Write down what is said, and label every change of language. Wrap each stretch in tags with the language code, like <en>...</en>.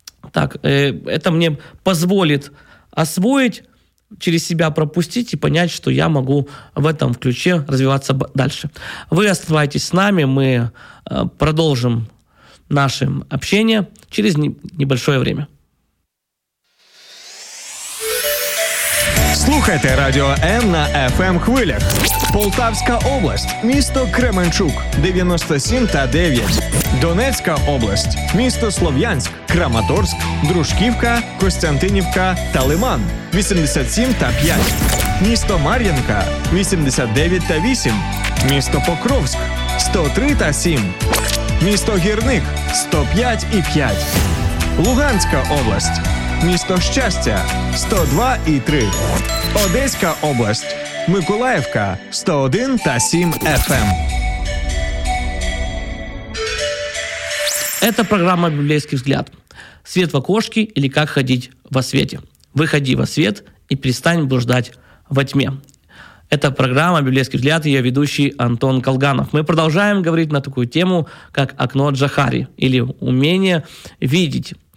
<ru>Так, это мне позволит освоить, через себя пропустить и понять, что я могу в этом ключе развиваться дальше. Вы оставайтесь с нами, мы продолжим наше общение через небольшое время.</ru> <uk>Слухайте радіо М на FM-хвилях. Полтавська область, місто Кременчук, 97.9. Донецька область, місто Слов'янськ, Краматорськ, Дружківка, Костянтинівка та Лиман, 87.5. Місто Мар'їнка, 89.8. Місто Покровськ, 103.7. Місто Гірник, 105.5. Луганська область, місто Щастя, 102.3. Одеська область, Миколаївка, 101.7 FM.</uk> <ru>Это программа «Библейский взгляд». Свет в окошке или как ходить во свете. Выходи во свет и перестань блуждать во тьме. Это программа «Библейский взгляд» и ее ведущий Антон Колганов. Мы продолжаем говорить на такую тему, как «Окно Джахари» или «Умение видеть».</ru>